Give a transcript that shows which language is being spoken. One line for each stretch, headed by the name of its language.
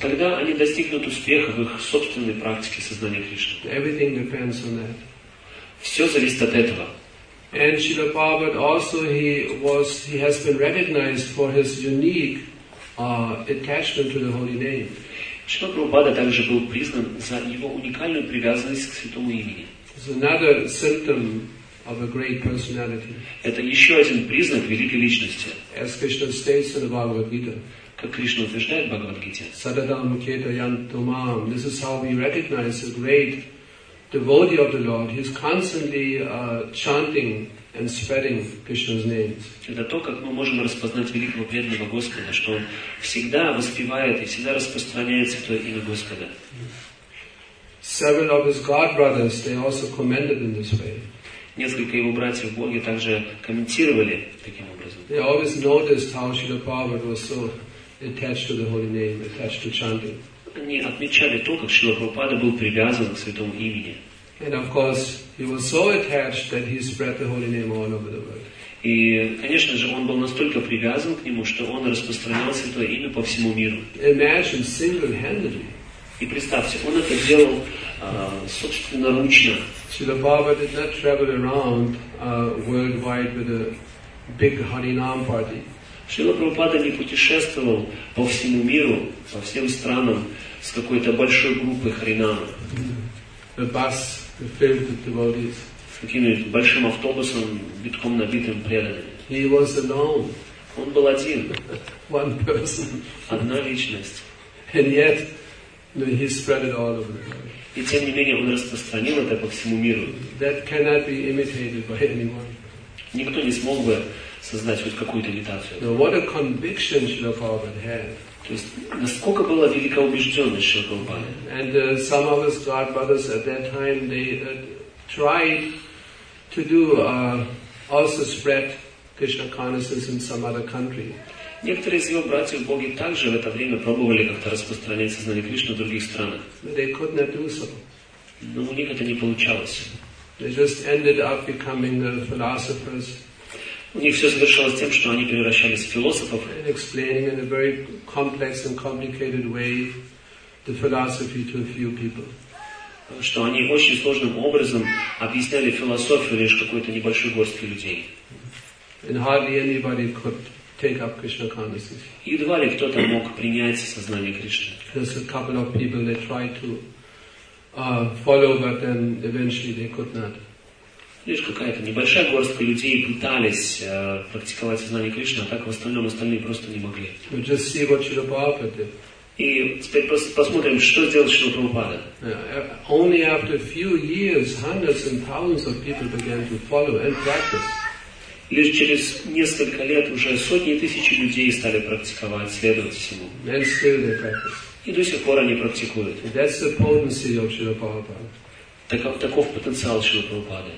Russian: Тогда они достигнут успеха в их собственной практике сознания Кришны.
English: Everything depends on that.
Russian: Все зависит от этого.
English: And Srila Prabhupada also he has been recognized for his unique attachment to the holy name.
Russian: Шрила Прабхупада также был признан за его уникальную привязанность к святому имени.
English: It's another symptom of a great personality.
Russian: Это еще один признак великой личности.
English: As Krishna states in the Bhagavad Gita.
Russian: Как Кришна утверждает в Бхагавад Гите.
Sanskrit: Sadadam Keta Yantumam.
English: This is how we recognize a great devotee of the Lord. He's constantly chanting and spreading Krishna's name.
Russian: Это то, как мы можем распознать великого преданного Господа, что он всегда воспевает и всегда распространяет святое имя Господа.
English: Several of his god brothers, they also commended in this way.
Russian: Несколько его братьев боги также комментировали таким образом.
English: They always noticed how Srila Prabhupada was so attached to the holy name, attached to chanting.
Russian: Они отмечали то, как Шрила Прабхупада был привязан к святому имени.
English: And of course, he was so attached that he spread the holy name all over the world.
Russian: И, конечно же, он был настолько привязан к нему, что он распространял святое имя по всему миру.
English: Imagine single-handedly.
Russian: И представьте, он это делал собственноручно.
English: Srila Prabhupada did not travel around worldwide with a big Harinam party.
Russian: Шрила Прабхупада не путешествовал по всему миру, по всем странам с какой-то большой группой Харинама.
English: The bus filled with devotees.
Russian: С каким-нибудь большим автобусом, битком набитым преданными.
English: He was alone.
Russian: Он был один.
English: One person.
Russian: Одна личность.
English: And yet, he spread it all over the world.
Russian: И тем не менее, он распространил это по всему миру.
English: That cannot be imitated by anyone.
Russian: Никто не смог бы создать хоть какую-то имитацию.
English: Now, what a conviction Srila Prabhupada had.
Russian: То есть, насколько была велика убежденность Шрилы Прабхупады.
English: And some of his god brothers at that time, they tried to do also spread Krishna consciousness in some other country.
Russian: Некоторые из его братьев-боги также в это время пробовали как-то распространять сознание Кришны в других странах.
English: But they could not do so.
Russian: Но у них это не получалось.
English: They just ended up becoming philosophers.
Russian: У них все завершалось тем, что они превращались в философов.
English: And explaining in a very complex and complicated way the philosophy to a few people.
Russian: Что они очень сложным образом объясняли философию лишь какой-то небольшой горстке людей.
English: And hardly anybody could take up Krishna consciousness.
Russian: Едва ли кто-то мог принять сознание Кришны.
English: There's a couple of people that tried to follow, but then eventually they could not.
Russian: Лишь какая-то небольшая горстка людей пытались практиковать сознание Кришны, а так в остальном остальные просто не могли.
English: We just see what Srila Prabhupada did.
Russian: И теперь просто посмотрим, что сделал Шрила Прабхупада.
English: Only after a few years, hundreds and thousands of people began to follow and practice.
Russian: Лишь через несколько лет уже сотни тысяч людей стали практиковать, следовать всему.
English: And still they practice.
Russian: И до сих пор они практикуют.
English: And that's the potency of Srila Prabhupada.
Russian: Таков потенциал Шрилы Прабхупады.